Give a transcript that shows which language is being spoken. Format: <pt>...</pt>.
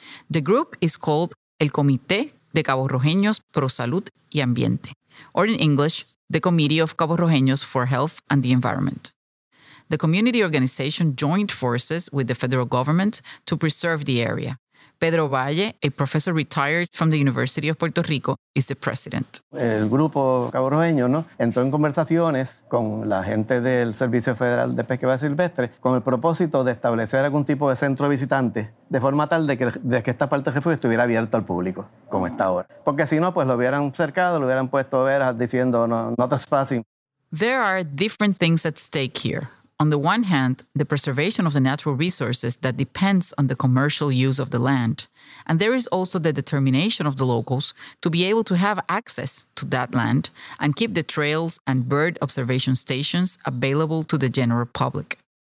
<en>The group is called El Comité de Cabo Rojeños Pro Salud y Ambiente, or in English, the Committee of Cabo Rojeños for Health and the Environment. The community organization joined forces with the federal government to preserve the area. Pedro Valle, a professor retired from the University of Puerto Rico, is the president.</en> <es>El grupo Cabo Rojeño, ¿no?, entró en conversaciones con la gente del Servicio Federal de Pesca Silvestre con el propósito de establecer algún tipo de centro visitante de forma tal de que esta parte del refugio estuviera abierto al público, como está ahora. Porque si no, pues lo hubieran cercado, lo hubieran puesto veras diciendo</es> <en>no trespassing. There are different things at stake here. On the one hand, the preservation of the natural resources that depends on the commercial use of the land. And there is also the determination of the locals to be able to have access to that land and keep the trails and bird observation stations available to the general public.</en>